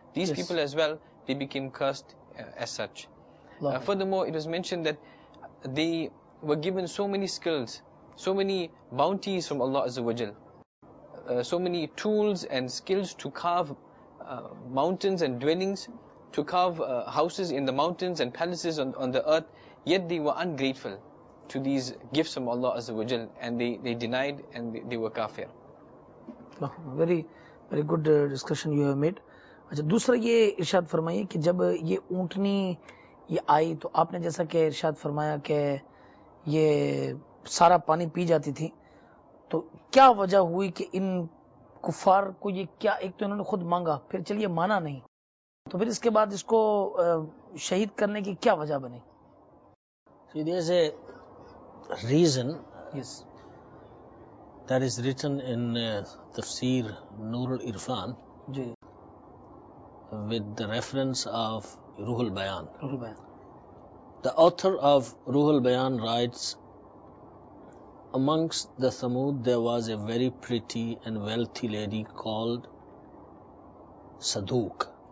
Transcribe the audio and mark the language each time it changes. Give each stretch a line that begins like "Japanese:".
English: These people as well, they became cursed as such. Furthermore, it was mentioned that they were given so many skills, so many bounties from Allah Azza wa Jal, so many tools and skills to carve mountains and dwellings, to carve houses in the mountains and palaces on the earth, yet they were ungrateful to these gifts from Allah Azza wa Jal, and they denied and they were kafir. Very, very good discussion you have made.
Hindi: अच्छा दूसरा ये इरशाद फरमाइए कि जब ये ऊँटनी ये आई तो आपने जैसा कि इरशाद फरमाया कि ये सारा पानी पी जाती थी तो क्या वजह हुई कि इन कुफार को ये क्या एक तो इन्होंने खुद मांगा फिर चलिए माना नहीं तो फिर इसके बाद इसको शहीद करने की क्या वजह बनी
English: there's a reason that is written in Tafseer Noorul Irfan
Hindi: जी
English: with the reference of Ruhul Bayan. Ruhul Bayan. The author of Ruhul Bayan writes, amongst the Thamud there was a very pretty and wealthy lady called Saduq.